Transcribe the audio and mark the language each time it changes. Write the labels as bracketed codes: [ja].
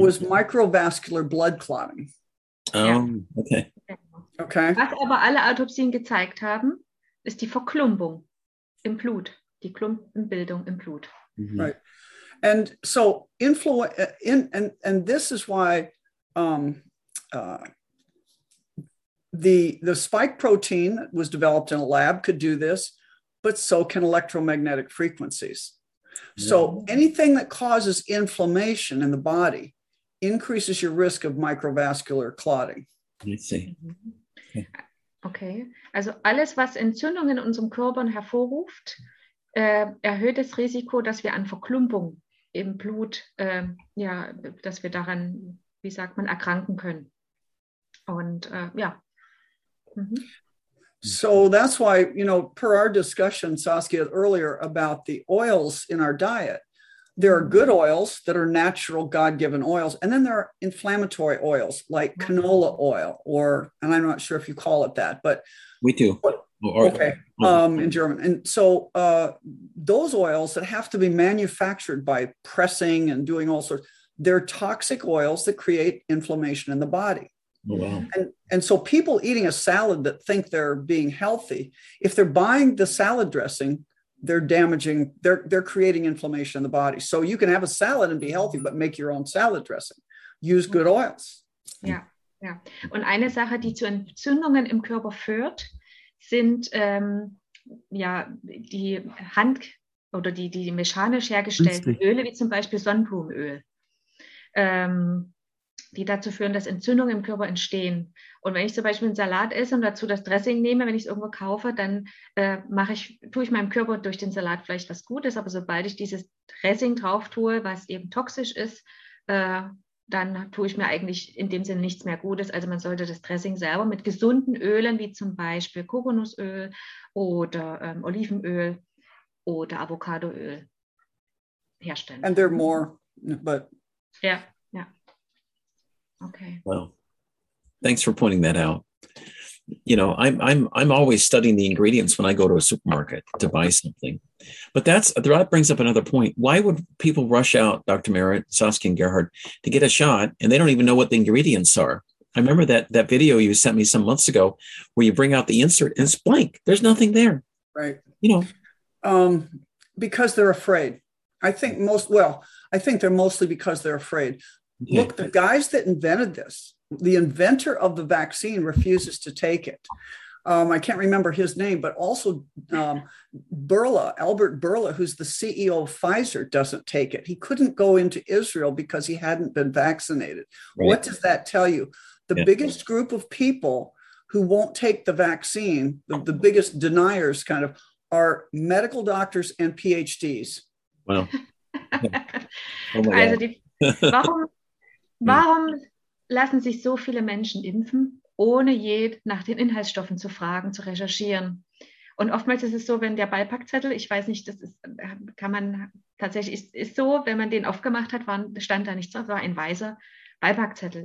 [en] was microvascular blood clotting. Okay. [de] Was aber alle Autopsien gezeigt haben, ist die Verklumpung im Blut. Die Klumpenbildung im Blut. [en] Mm-hmm. Right. And so this is why the spike protein that was developed in a lab could do this, but so can electromagnetic frequencies. So anything that causes inflammation in the body increases your risk of microvascular clotting. Let's see. Mm-hmm. Okay. [de] Also alles, was Entzündungen in unserem Körper hervorruft, erhöht das Risiko, dass wir an Verklumpung im Blut, dass wir daran, wie sagt man, erkranken können. Und ja. Mhm. [en] So that's why, you know, per our discussion, Saskia, earlier about the oils in our diet, there are good oils that are natural God-given oils. And then there are inflammatory oils like canola oil, or, and I'm not sure if you call it that, but we do. Okay. In German. And so those oils that have to be manufactured by pressing and doing all sorts, they're toxic oils that create inflammation in the body. Oh, wow. And so people eating a salad that think they're being healthy, if they're buying the salad dressing, they're damaging, they're creating inflammation in the body. So you can have a salad and be healthy, but make your own salad dressing. Use good oils. Yeah, yeah. [de] Und eine Sache, die zu Entzündungen im Körper führt, sind ja die Hand oder die mechanisch hergestellten Öle, wie zum Beispiel Sonnenblumenöl, die dazu führen, dass Entzündungen im Körper entstehen. Und wenn ich zum Beispiel einen Salat esse und dazu das Dressing nehme, wenn ich es irgendwo kaufe, dann tue ich meinem Körper durch den Salat vielleicht was Gutes. Aber sobald ich dieses Dressing drauf tue, was eben toxisch ist, dann tue ich mir eigentlich in dem Sinne nichts mehr Gutes. Also man sollte das Dressing selber mit gesunden Ölen, wie zum Beispiel Kokosnussöl oder Olivenöl oder Avocadoöl herstellen. [en] And there are more, but... Yeah. Okay. Well, thanks for pointing that out. You know, I'm always studying the ingredients when I go to a supermarket to buy something. But that brings up another point. Why would people rush out, Dr. Merritt, Saskia, and Gerhard, to get a shot and they don't even know what the ingredients are? I remember that video you sent me some months ago where you bring out the insert and it's blank. There's nothing there. Right. You know. Because they're afraid. I think they're mostly because they're afraid. Yeah. Look, the guys that invented this, the inventor of the vaccine refuses to take it. I can't remember his name, but also Albert Bourla, who's the CEO of Pfizer, doesn't take it. He couldn't go into Israel because he hadn't been vaccinated. Right. What does that tell you? The biggest group of people who won't take the vaccine, the biggest deniers kind of, are medical doctors and PhDs. Wow. Oh my God. [de] Warum lassen sich so viele Menschen impfen, ohne je nach den Inhaltsstoffen zu fragen, zu recherchieren? Und oftmals ist es so, wenn der Beipackzettel, ich weiß nicht, das ist, kann man tatsächlich, ist so, wenn man den aufgemacht hat, stand da nichts drauf, war ein weißer Beipackzettel.